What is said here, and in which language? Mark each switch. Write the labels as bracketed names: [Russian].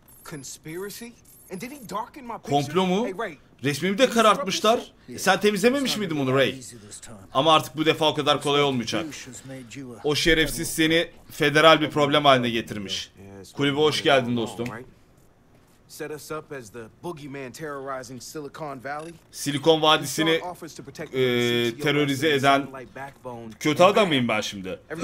[English] Conspiracy? And did he darken my picture? [Turkish] Komplo mu? Hey Ray. Resmimi de karartmışlar. Sen temizlememiş miydin bunu Ray? Ama artık bu defa o kadar kolay olmayacak. O şerefsiz seni federal bir problem haline getirmiş. Kulübe hoş geldin dostum. [English] Set us up as the boogeyman terrorizing Silicon Valley. [Turkish] Silikon Vadisi'ni terörize eden kötü adam mıyım ben şimdi?